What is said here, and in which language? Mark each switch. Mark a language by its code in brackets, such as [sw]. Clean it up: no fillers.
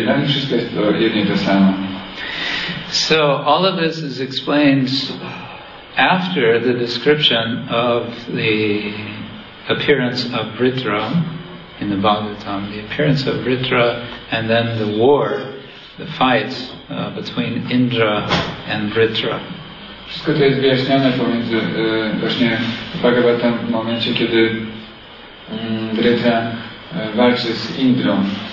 [pl] Dla nich wszystko jest to jedno i to samo. [en] So all of this is explained after the description of the appearance of Vritra in the Bhagavatam, the appearance of Vritra and then the war, the fight between Indra and Vritra. [pl] Wszystko to jest wyjaśnione pomiędzy właśnie Bhagavatam w momencie, kiedy Vritra walczy z Indrą.